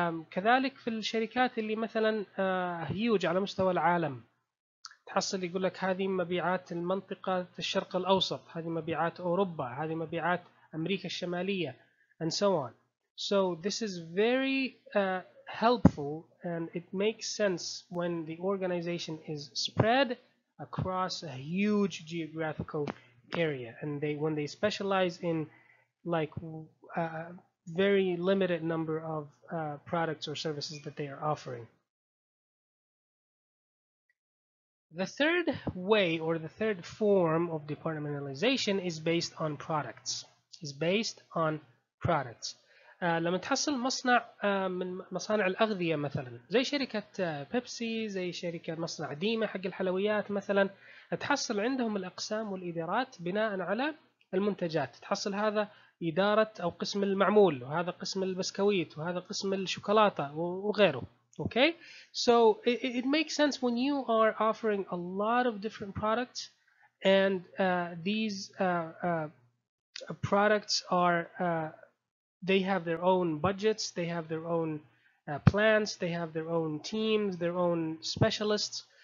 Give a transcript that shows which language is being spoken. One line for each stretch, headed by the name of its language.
Arabic: كذلك في الشركات اللي مثلا هيوج على مستوى العالم تحصل يقول لك هذه مبيعات المنطقة الشرق الأوسط، هذه مبيعات أوروبا، هذه مبيعات أمريكا الشمالية
English: and so on. So this is very helpful and it makes sense when the organization is spread across a huge geographical area and when they specialize in like very limited number of products or services that they are offering. The third way, or the third form of departmentalization, is based on products. Is based on products.
Arabic: لما تحصل مصنع من مصانع الأغذية مثلا زي شركة بيبسي زي شركة مصنع ديما حق الحلويات مثلا تحصل عندهم الأقسام والإدارات بناء على المنتجات تحصل هذا إدارة أو قسم المعمول وهذا قسم البسكويت وهذا قسم الشوكولاتة وغيره.
English: Okay, so it makes sense when you are offering a lot of different products and these products are they have their own budgets, they have their own plants, they have their own teams, their own specialists.